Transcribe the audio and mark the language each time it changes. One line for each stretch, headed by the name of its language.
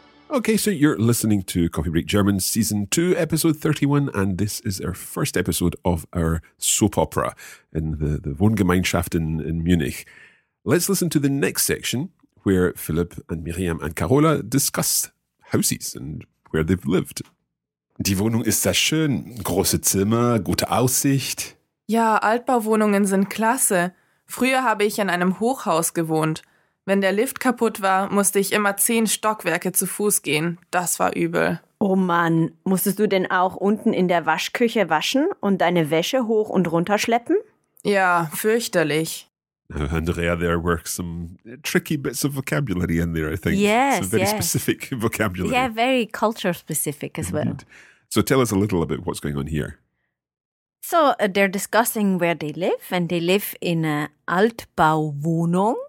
English: Okay, so you're listening to Coffee Break German Season 2, Episode 31, and this is our first episode of our soap opera in the Wohngemeinschaft in Munich. Let's listen to the next section where Philipp and Miriam and Carola discuss houses and where they've lived.
German: Die Wohnung ist sehr schön. Große Zimmer, gute Aussicht. Ja, Altbauwohnungen sind klasse. Früher habe ich in einem Hochhaus gewohnt. Wenn der Lift kaputt war, musste ich immer 10 Stockwerke zu Fuß gehen. Das war übel. Oh Mann, musstest du denn auch unten in der Waschküche waschen und deine Wäsche hoch und runter schleppen? Ja, fürchterlich.
English: Andrea, there were some tricky bits of vocabulary in there, I think. Yes, specific vocabulary. Yeah, very culture specific as well. So tell us a little about what's going on here. So they're discussing where they live, and they live in a Altbauwohnung.